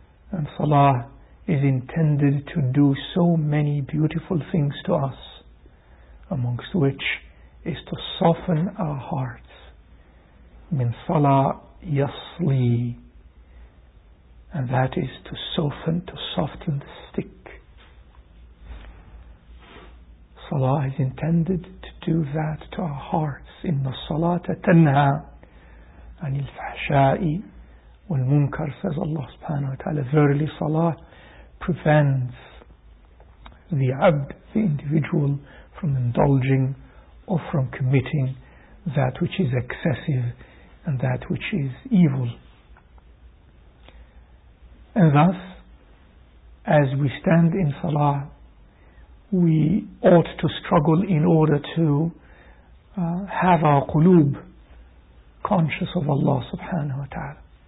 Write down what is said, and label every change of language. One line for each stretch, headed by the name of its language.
English: And salah is intended to do so many beautiful things to us, amongst which is to soften our hearts.
Arabic: Min salah yasli.
English: And that is to soften the stick. Allah has intended to do that to our hearts.
Arabic: إن الصلاة تنهى عن الفحشاء والمنكر,
English: says Allah subhanahu wa ta'ala. Verily, salah prevents the abd, the individual, from indulging or from committing that which is excessive and that which is evil. And thus, as we stand in salah, we ought to struggle in order to have our qulub conscious of Allah subhanahu wa ta'ala.